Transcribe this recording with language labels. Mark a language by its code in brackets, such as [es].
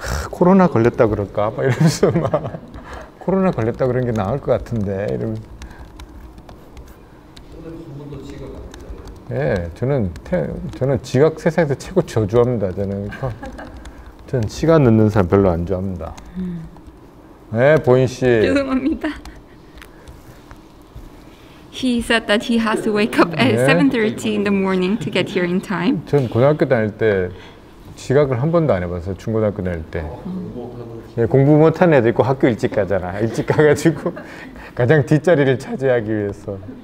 [ko] 코로나 걸렸다 그럴까? 막 이러면서 막, 코로나 걸렸다 그런 게 나을 것 같은데, 이러면서. 예, 저는 지각 세상에서 최고 저주합니다. 저는 시간 늦는 사람 별로 안 좋아합니다. 예, 보인 씨. 죄송합니다. [en] He said that he has to wake up at 7:30 in the morning to get here in time. [ko] 전 고등학교 다닐 때 지각을 한 번도 안 해봤어요. 중고등학교 다닐 때. 예, 공부 못한 애들 있고 학교 일찍 가잖아. 일찍 가가지고 가장 뒷자리를 차지하기 위해서.